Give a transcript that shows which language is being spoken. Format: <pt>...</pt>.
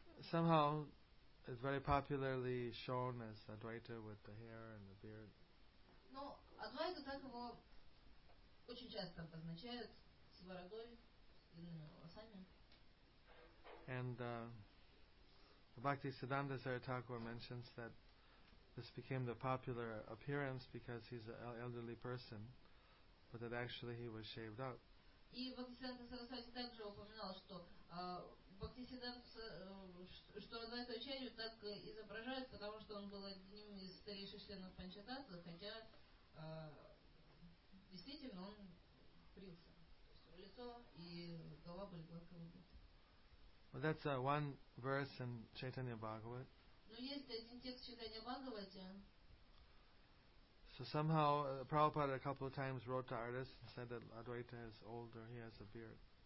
<en>Somehow, it's very popularly shown as Advaita with the hair and the beard.</en> <ru>No, Advaita так его очень часто обозначают с бородой, с длинными волосами.</ru> <en>And Bhakti Siddhanta Saritakura mentions that this became the popular appearance because he's an elderly person, but that actually he was shaved out.</en> <ru>И Бхакти Сиддханта Сарасвати также упоминал, что Бхакти Сиддханта, что Адвайта Ачарью так изображают, потому что он был одним из старейших членов Панчататвы, хотя действительно он брился. То есть его лицо и голова были гладко выбриты.</ru> <en>Well, that's one verse in Chaitanya Bhagavat.</en> <ru>Но есть один текст Чайтанья Бхагавате.</ru> <en>So somehow Prabhupada a couple of times wrote to artists and said that Advaita is older, he has a beard.</en>